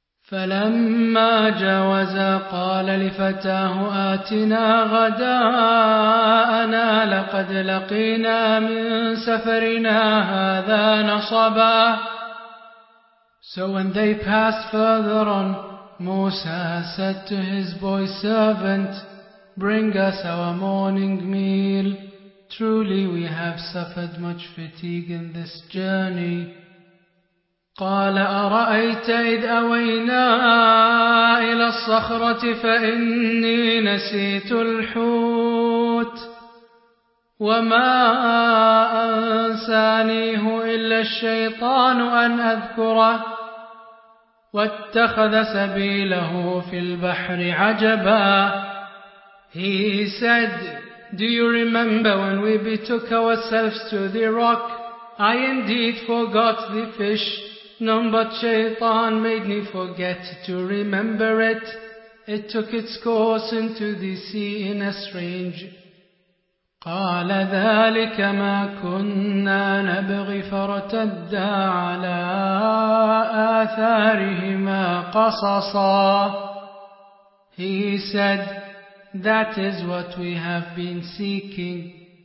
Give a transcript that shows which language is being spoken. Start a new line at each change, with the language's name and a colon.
Arabic: فَلَمَّا جَاوَزَا قَالَ لِفَتَاهُ آتِنَا غَدَاءَنَا لَقَدْ لَقِيْنَا مِنْ سَفَرِنَا هَذَا نَصَبًا.
English: So when they passed further on, Musa said to his boy servant, bring us our morning meal. Truly we have suffered much fatigue in this journey.
Arabic: قال أرأيت إذ أوينا إلى الصخرة فإني نسيت الحوت وما أنسانيه إلا الشيطان أن أذكره واتخذ سبيله في البحر عجبا.
English: He said, do you remember when we betook ourselves to the rock? I indeed forgot the fish. None but Shaitan made me forget to remember it. It took its course into the sea in a strange.
Arabic: قال ذلك ما كنا نبغي فرتدا على آثارهما قصصا.
English: He said, that is what we have been seeking.